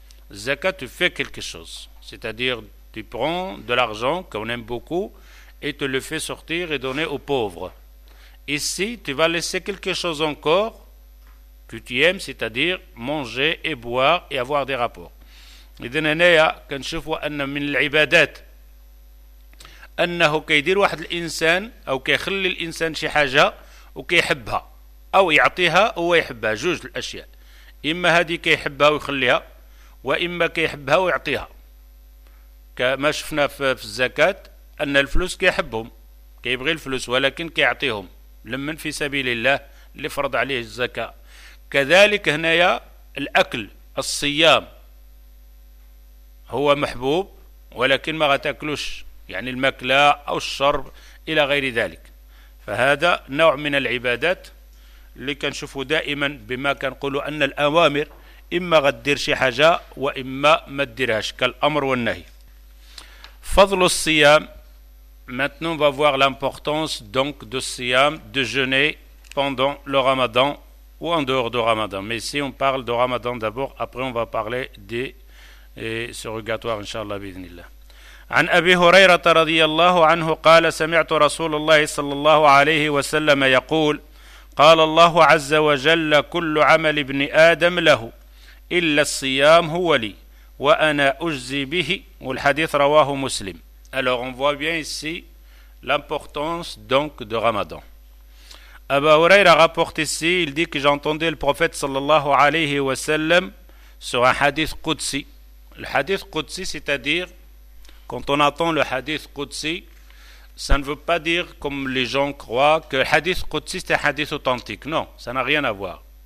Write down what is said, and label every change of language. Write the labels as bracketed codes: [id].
[fr] Zaka, tu fais quelque chose. C'est-à-dire, tu prends de l'argent qu'on aime beaucoup, et te le fais sortir et donner aux pauvres. Ici, tu vas laisser quelque chose encore que tu aimes, c'est-à-dire manger et boire et avoir des rapports. [ar] إذن هنا كنشوفوا أن من العبادات أنه كيدير واحد الإنسان أو كيخلي الإنسان شي حاجة وكيحبها أو يعطيها هو يحبها جوج الأشياء. إما هذه كيحبها ويخليها وإما كيحبها ويعطيها. كما شفنا في الزكاة أن الفلوس كيحبهم كيبغي الفلوس ولكن كيعطيهم لمن في سبيل الله اللي فرض عليه الزكاة كذلك هنا يا الأكل الصيام هو محبوب ولكن ما غتاكلوش يعني المكلة أو الشرب إلى غير ذلك فهذا نوع من العبادات اللي كنشوفه دائما بما كنقوله أن الأوامر إما غدير شي حاجة وإما ما تديرهاش كالأمر والنهي فضل الصيام [fr] Maintenant, on va voir l'importance donc de siyam, de jeûner pendant le ramadan ou en dehors du ramadan. Mais ici, on parle de ramadan d'abord, après, on va parler des surrogatoires, inshallah, bidnillah. [ar] عن أبي هريرة رضي الله عنه قال سمعت رسول الله صلى الله عليه وسلم يقول قال الله عز وجل كل عمل ابن آدم له إلا الصيام هو لي وأنا أجزي به والحديث رواه مسلم. [fr] Alors, on voit bien ici l'importance donc de Ramadan. Abu Huraira rapporte ici, il dit que j'entendais le prophète sallallahu alayhi wa sallam sur un hadith Qudsi. Le hadith Qudsi, c'est-à-dire, quand on entend le hadith Qudsi, ça ne veut pas dire comme les gens croient que le hadith Qudsi c'est un hadith authentique. Non, ça n'a rien à voir.